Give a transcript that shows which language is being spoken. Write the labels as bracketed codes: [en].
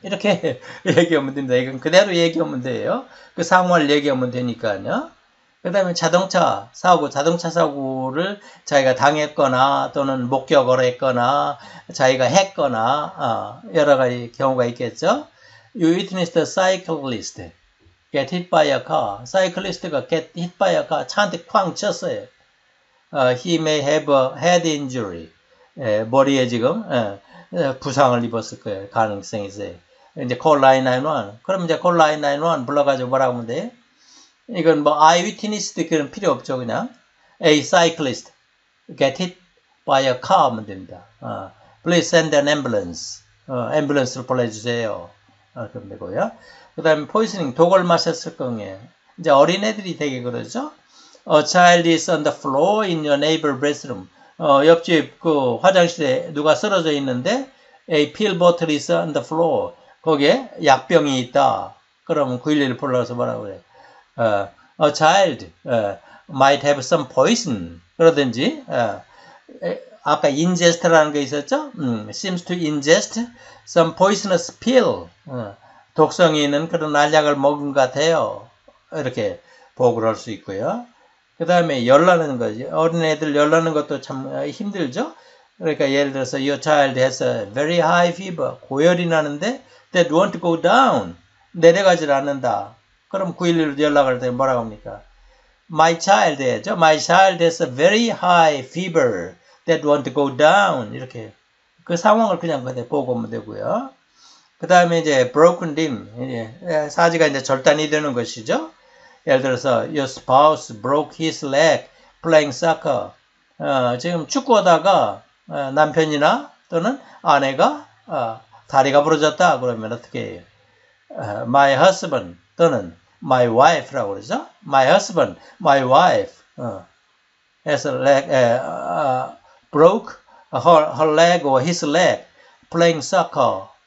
[ko] 이렇게 얘기하면 됩니다. 이건 그대로 얘기하면 돼요. 그 상황을 얘기하면 되니까요. 그 다음에 자동차 사고를 자기가 당했거나 또는 목격을 했거나 자기가 했거나, 여러 가지 경우가 있겠죠. [en] You witnessed a cyclist get hit by a car. Cyclist가 get hit by a car. [ko] 차한테 쾅 쳤어요. [en] He may have a head injury. [ko] 머리에 지금 부상을 입었을 거예요. 가능성이 있어요. 이제 [en] call 911. [ko] 그럼 이제 [en] call 911 [ko] 불러가지고 뭐라고 하면 돼요? 이건 뭐 eyewitness도 그런 필요 없죠. 그냥 [en] A cyclist get hit by a car [ko] 하면 됩니다. [en] Please send an ambulance. [ko] Ambulance를 보내주세요. 그럼 되고요. 그다음에 poisoning 독을 마셨을 거예요. 이제 어린애들이 되게 그러죠. [en] A child is on the floor in your neighbor bathroom. [ko] 옆집 그 화장실에 누가 쓰러져 있는데, [en] A pill bottle is on the floor. [ko] 거기에 약병이 있다. 그러면 911 불러서 뭐라고 그래? [en] A child might have some poison. [ko] 그러든지, 아까 ingest라는 게 있었죠? [en] Seems to ingest some poisonous pill. [ko] 독성이 있는 그런 알약을 먹은 것 같아요. 이렇게 보고를 할수 있고요. 그 다음에 열나는 거지. 어린애들 열나는 것도 참 힘들죠? 그러니까 예를 들어서, [en] Your child has a very high fever. [ko] 고열이 나는데, [en] that won't go down. [ko] 내려가지 않는다. 그럼 911로 연락을 할때 뭐라고 합니까? [en] My child [ko] 해야죠. [en] My child has a very high fever. that won't go down. [ko] 이렇게. 그 상황을 그냥 그대로 보고 오면 되고요. 그 다음에 이제 broken limb. 사지가 이제 절단이 되는 것이죠? 예를 들어서, [en] your spouse broke his leg playing soccer. [ko] 지금 축구하다가 남편이나 또는 아내가 다리가 부러졌다. 그러면 어떻게 해요? [en] My husband [ko] 또는 [en] my wife [ko] 라고 그러죠? [en] My husband, my wife. Broke her leg or his leg playing soccer.